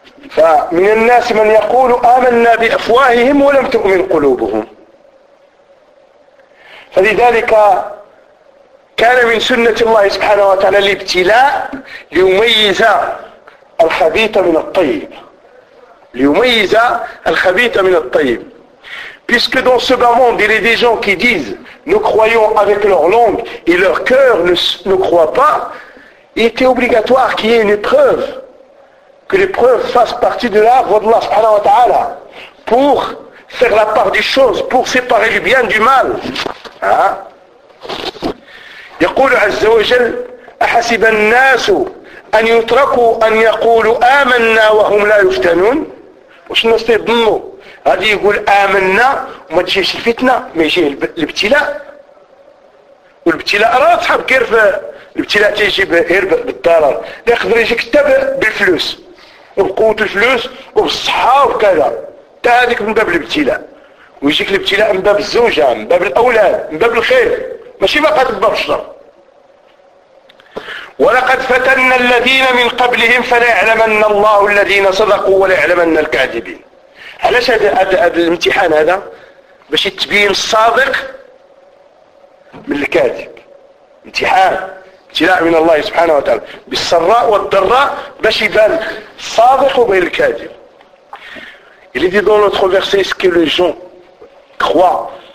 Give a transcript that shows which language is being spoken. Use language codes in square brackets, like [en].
[ar] فمن الناس من يقول آمنا بأفواههم ولم تؤمن قلوبهم. فلذلك كان من سنة الله سبحانه وتعالى الابتلاء ليميز الخبيث من الطيب. ليميز الخبيث من الطيب. [fr] Puisque dans ce bas monde il y a des gens qui disent nous croyons avec leur langue et leur cœur ne croit pas, il était obligatoire qu'il y ait une épreuve. Que l'épreuve fasse partie de l'arbre d'Allah subhanahu wa ta'ala pour faire la part des choses, pour séparer le bien du mal. [ar] يقول عز وجل أحسب الناس أن يتركوا أن يقولوا آمنا وهم لا يفتنون. واش الناس تظنوا؟ غادي يقول آمنا وما تجيش الفتنة، ما يجيه الابتلاء. والابتلاء راه تحب كيف الابتلاء تيجي غير بالضرر، يقدر يجيك تبع بالفلوس. وبقوة الفلوس وبالصحة وكذا، تا هذيك من باب الابتلاء، ويجيك الابتلاء من باب الزوجة، من باب الأولاد، من باب الخير، ماشي فقط من باب الشر. ولقد فتنا الذين من قبلهم فليعلمن الله الذين صدقوا وليعلمن الكاذبين. علاش هذا الامتحان هذا؟ باش تبين الصادق من الكاذب. امتحان. ابتلاء من الله سبحانه وتعالى بالسراء والضراء باش يبان الصادق وبين الكاذب. [fr] Il est dit dans notre verset ce que les gens croient.